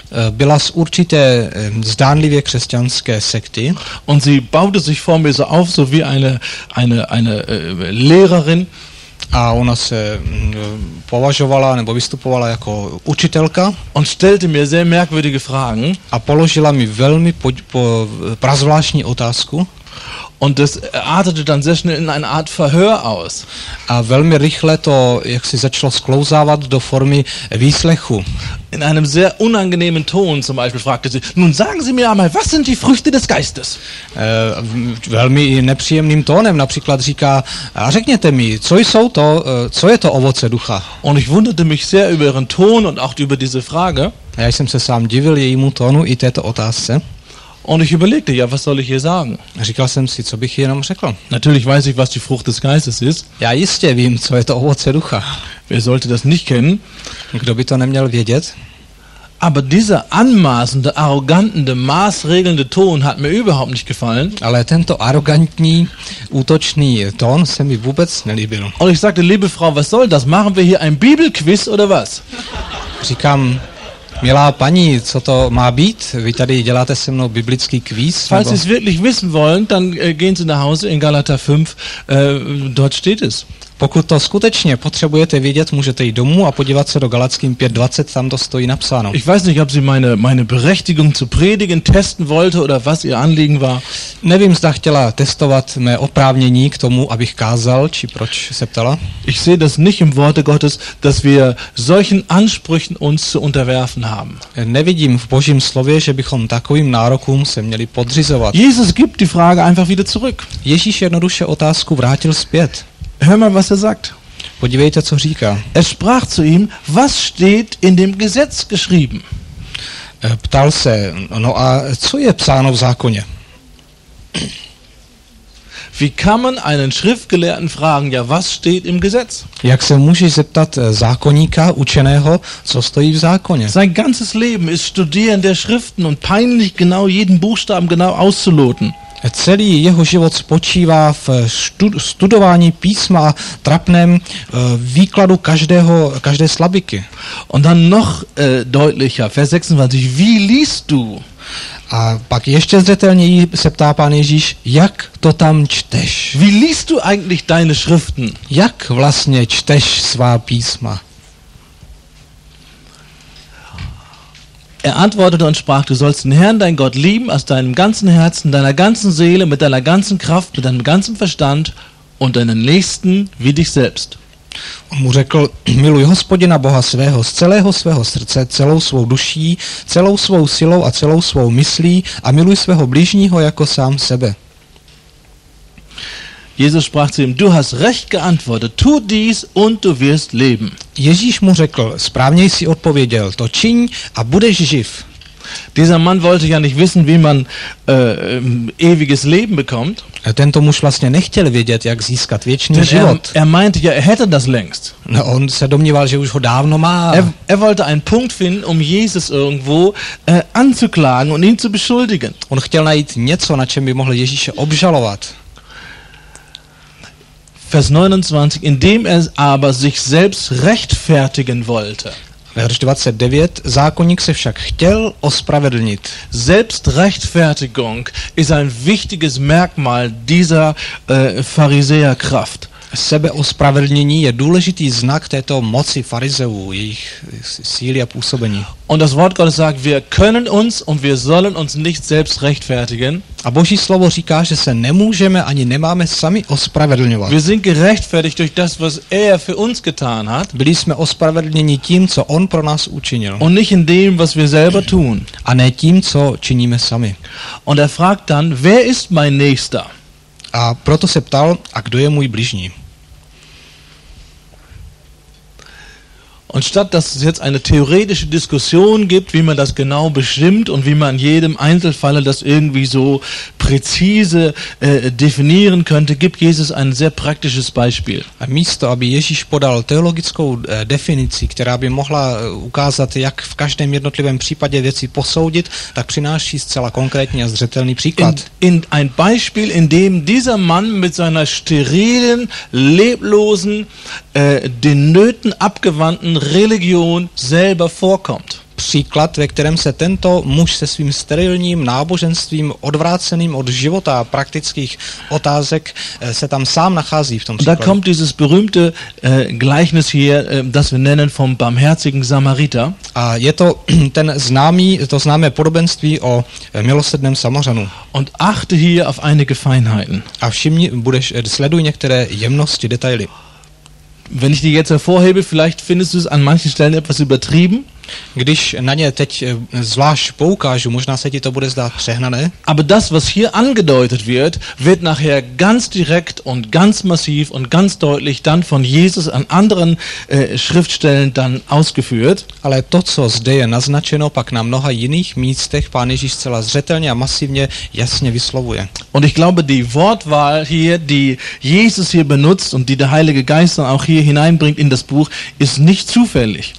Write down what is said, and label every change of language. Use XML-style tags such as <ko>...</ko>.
<cs>Byla z určité zdánlivě křesťanské sekty.</cs> <de>Und sie baute sich vor mir so auf, so wie eine Lehrerin.</de> <cs>A ona se považovala nebo vystupovala jako učitelka.</cs> <de>Und stellte mir sehr merkwürdige Fragen.</de> <cs>A položila mi velmi prazvláštní otázku.</cs> <de>Und das artete dann sehr schnell in eine Art Verhör aus.</de> <cs>A velmi rychle to jaksi začalo sklouzávat do formy výslechu.</cs> <de>In einem sehr unangenehmen Ton zum Beispiel fragte sie, nun sagen Sie mir einmal, was sind die Früchte des Geistes?</de> <cs>Velmi nepříjemným tónem například říká, a řekněte mi, co je to ovoce ducha?</cs> <de>Und ich wunderte mich sehr über ihren Ton und auch über diese Frage.</de> <cs>Já jsem se sám divil jejímu tónu i této otázce.</cs> <de>Und ich überlegte, ja, was soll ich hier sagen?</de> <cs>Říkal jsem si, co bych jenom řekl.</cs> <de>Natürlich weiß ich, was die Frucht des Geistes ist.</de> <cs>Já jistě vím, co je to ovoce ducha.</cs> <de>Wer sollte das nicht kennen?</de> <cs>Kdo by to neměl vědět?</cs> <de>Aber dieser anmaßende, arrogante, maßregelnde Ton hat mir überhaupt nicht gefallen.</de> <cs>Ale tento arrogantní, útočný tón se mi vůbec nelíbil.</cs> <de>Und ich sagte, liebe Frau, was soll das? Machen wir hier ein Bibelquiz oder was?</de> <cs>Říkám, milá paní, co to má být? Vy tady děláte se mnou biblický kvíz?</cs> <de>Falls Sie es wirklich wissen wollen, dann gehen Sie nach Hause in Galater 5, dort steht es.</de> <cs>Pokud to skutečně potřebujete vědět, můžete jít domů a podívat se do Galackým 5:20, tam to stojí napsáno.</cs> <de>Ich weiß nicht, ob Sie meine Berechtigung zu predigen testen wollte oder was Ihr Anliegen war.</de> <cs>Nevím, zda chtěla testovat mé oprávnění k tomu, abych kázal, či proč se ptala.</cs> <de>Ich sehe das nicht im Worte Gottes, dass wir solchen Ansprüchen uns zu unterwerfen haben.</de> <cs>Nevidím v Božím slově, že bychom takovým nárokům se měli podřizovat.</cs> <de>Jesus gibt die Frage einfach wieder zurück.</de> <cs>Ježíš jednoduše otázku vrátil zpět.</cs> <de>Hör mal, was er sagt.</de> <cs>Podívejte, co říká.</cs> <de>Er sprach zu ihm, was steht in dem Gesetz geschrieben?</de> <cs>Ptal se, no a co je psáno v zákoně?</cs> <de>Wie kann man einen Schriftgelehrten fragen, ja, was steht im Gesetz?</de> <cs>Jak se můžeš zeptat zákonníka, učeného, co stojí v zákoně?</cs> <de>Sein ganzes Leben ist studieren der Schriften und peinlich genau jeden Buchstaben genau auszuloten.</de> <cs>Celý jeho život spočívá v studování písma a trapném výkladu každé slabiky.</cs> <de>Und dann noch deutlicher, Vers 26, wie liest du?</de> <cs>A pak ještě zřetelněji se ptá pán Ježíš, jak to tam čteš?</cs> <de>Wie liest du eigentlich deine Schriften?</de> <cs>Jak vlastně čteš svá písma?</cs> <de>Er antwortete und sprach, du sollst den Herrn, dein Gott, lieben aus deinem ganzen Herzen, deiner ganzen Seele, mit deiner ganzen Kraft, mit deinem ganzen Verstand und deinen Nächsten wie dich selbst.</de> <cs>On mu řekl, miluj Hospodina Boha svého z celého svého srdce, celou svou duší, celou svou silou a celou svou myslí a miluj svého bližního jako sám sebe.</cs> <de>Jesus sprach zu ihm, du hast recht geantwortet, tu dies und du wirst leben.</de> <cs>Ježíš mu řekl, správně jsi odpověděl, to čiň a budeš živ.</cs> <de>Dieser Mann wollte ja nicht wissen, wie man ewiges Leben bekommt.</de> <cs>Tento muž vlastně nechtěl vědět, jak získat věčný život.</cs> <de>Er meinte ja, er hätte das längst.</de> <cs>No, on se domníval, že už ho dávno má.</cs> <de>Er wollte einen Punkt finden, um Jesus irgendwo anzuklagen und ihn zu beschuldigen.</de> <cs>On chtěl najít něco, na čem by mohl Ježíše obžalovat.</cs> <de>Vers 29, indem er aber sich selbst rechtfertigen wollte.</de> <cs>Vers 29, zákonník se však chtěl ospravedlnit.</cs> <de>Selbstrechtfertigung ist ein wichtiges Merkmal dieser Pharisäerkraft.</de> <cs>Sebeospravedlnění je důležitý znak této moci farizeů, jejich síly a působení.</cs> <de>Und das Wort Gottes sagt, wir können uns und wir sollen uns nicht selbst rechtfertigen.</de> <cs>A Boží slovo říká, že se nemůžeme ani nemáme sami ospravedlňovat.</cs> <de>Wir sind gerechtfertigt durch das, was er für uns getan hat.</de> <cs>Byli jsme ospravedlněni tím, co on pro nás učinil.</cs> <de>Und nicht in dem, was wir selber tun.</de> <cs>A ne tím, co činíme sami.</cs> <de>Und er fragt dann, wer ist mein Nächster?</de> <cs>A proto se ptal, a kdo je můj bližní?</cs> <de>Und statt dass es jetzt eine theoretische Diskussion gibt, wie man das genau bestimmt und wie man in jedem Einzelfalle das irgendwie so präzise definieren könnte, gibt Jesus ein sehr praktisches Beispiel.</de> <cs>A místo, aby Ježíš podal teologickou definici, která by mohla ukázat, jak v každém jednotlivém případě věci posoudit, tak přináší zcela konkrétní a zřetelný příklad.</cs> <de>In ein Beispiel, in dem dieser Mann mit seiner sterilen, leblosen, den Nöten abgewandten Religion selber vorkommt.</de> <cs>Příklad, ve kterém se tento muž se svým sterilním náboženstvím odvráceným od života a praktických otázek se tam sám nachází v tom příkladu.</cs> <de>Da kommt dieses berühmte Gleichnis hier, das wir nennen vom barmherzigen Samariter.</de> <cs>A je to ten známý, to známé podobenství o milosrdném Samařanu.</cs> <de>Und achte hier auf einige Feinheiten.</de> <cs>A všimni, budeš sleduj některé jemnosti, detaily.</cs> <de>Wenn ich die jetzt hervorhebe, vielleicht findest du es an manchen Stellen etwas übertrieben.</de> <cs>Když na ně teď zvlášť poukážu, možná se ti to bude zdát přehnané.</cs> <de>Aber das, was hier angedeutet wird, wird nachher ganz direkt und ganz massiv und ganz deutlich dann von Jesus an anderen Schriftstellen dann ausgeführt.</de> <cs>Ale to, co zde je naznačeno, pak na mnoha jiných místech pán Ježíš zcela zřetelně a masivně jasně vyslovuje.</cs> <de>Und ich glaube, die Wortwahl hier, die Jesus hier benutzt und die der Heilige Geist dann auch hier hineinbringt in das Buch, ist nicht zufällig.</de>